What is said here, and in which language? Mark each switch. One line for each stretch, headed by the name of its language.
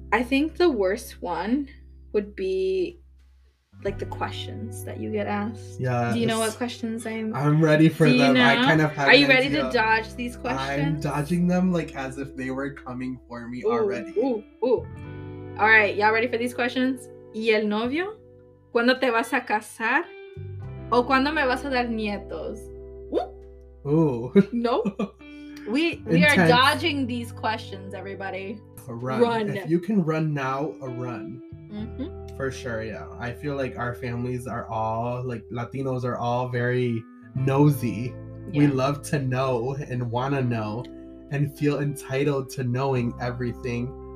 English: I think the worst one would be... like the questions that you get asked. Yeah. Do you know what questions I'm ready for them. You know? I kind of have. Are you ready to dodge these questions? I'm dodging them like as if they were coming for me already. Ooh, ooh. All right, y'all ready for these questions?
Spanish: ¿Y el novio? ¿Cuándo te vas a casar? ¿O cuándo me vas a dar nietos?
English: Ooh. Ooh. Nope. We are dodging these questions, everybody. Run. If you can run now, run. Mm-hmm. For sure, yeah. I feel like our families are all, like, Latinos are all very nosy. Yeah. We love to know and want to know and feel entitled to knowing everything.